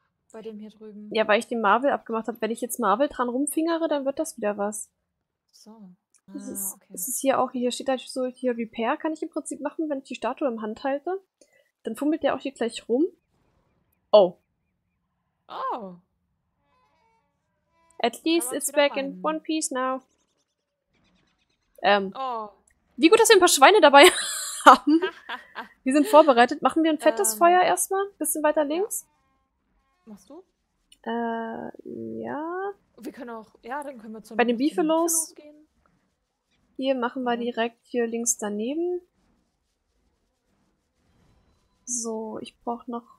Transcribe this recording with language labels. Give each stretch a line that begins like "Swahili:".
German: Bei dem hier drüben. Ja, weil ich den Marvel abgemacht habe. Wenn ich jetzt Marvel dran rumfingere, dann wird das wieder was. So. Es ist hier auch, hier steht halt so, hier Repair kann ich im Prinzip machen, wenn ich die Statue im Hand halte. Dann fummelt der auch hier gleich rum. Oh. Oh.
English: At least it's back in one piece now. Oh.
German: Wie gut, dass wir ein paar Schweine dabei haben. Wir sind vorbereitet. Machen wir ein fettes Feuer erstmal, bisschen weiter links. Machst du? Ja. Wir können auch, ja, dann können wir zum bei den Beefalos gehen. Hier machen wir direkt hier links daneben. So, ich brauche noch